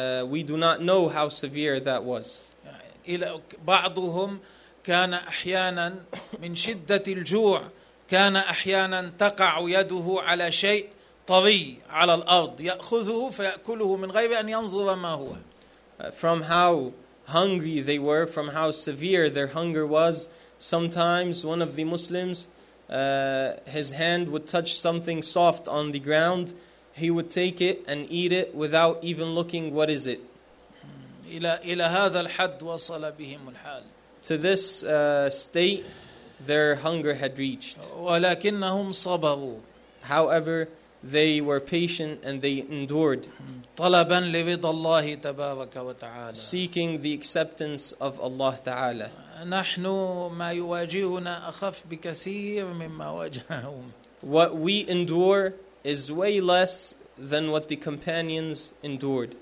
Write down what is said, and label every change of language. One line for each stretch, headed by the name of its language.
English: We do not know how severe that was.
Arabic: إلى بعضهم كان أحيانا من شدة الجوع كان أحيانا تقع يده على شيء طري على الأرض يأخذه فيأكله من غير أن ينظر ما هو.
English: From how hungry they were, from how severe their hunger was, sometimes one of the Muslims, his hand would touch something soft on the ground, he would take it and eat it without even looking, what is it?
Arabic: إلى هذا الحد وصل بهم الحال.
English: To this state, their hunger had reached.
Arabic: ولكنهم صبروا.
English: However, they were patient and they endured.
Arabic: طلبا لرضا الله تبارك وتعالى.
English: Seeking the acceptance of Allah تعالى.
Arabic: نحن ما يواجهنا أخف بكثير مما واجههم.
English: What we endure is way less than what the companions endured.